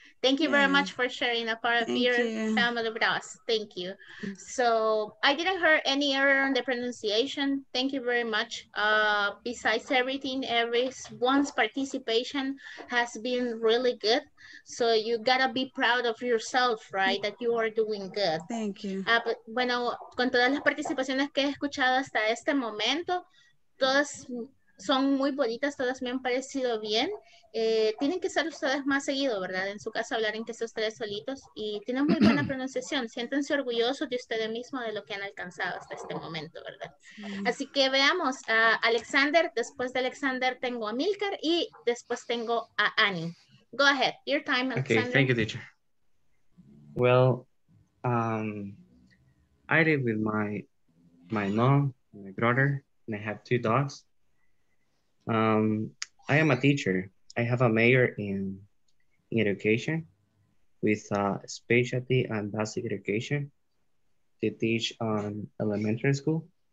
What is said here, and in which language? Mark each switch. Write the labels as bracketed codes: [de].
[en] Thank you very much for sharing a part of family with us. Thank you. So I didn't hear any error on the pronunciation. Thank you very much. Besides everything, everyone's participation has been really good. So you gotta be proud of yourself, right? That you are doing good. Thank you. [es] Bueno, con todas las participaciones que he escuchado hasta este momento, todas son muy bonitas, todas me han parecido bien. Tienen que ser ustedes más seguido, ¿verdad? En su caso, hablar en que sea ustedes solitos. Y tienen muy buena pronunciación. Siéntense orgullosos de ustedes mismos, de lo que han alcanzado hasta este momento, ¿verdad? Sí. Así que veamos a Alexander. Después de Alexander tengo a Milcar y después tengo a Annie. [en] Go ahead. Your time, Alexander. Okay, thank you, teacher. Well, I live with my mom, my brother, and I have two dogs. I am a teacher. I have a major in education with a specialty on basic education to teach on elementary school.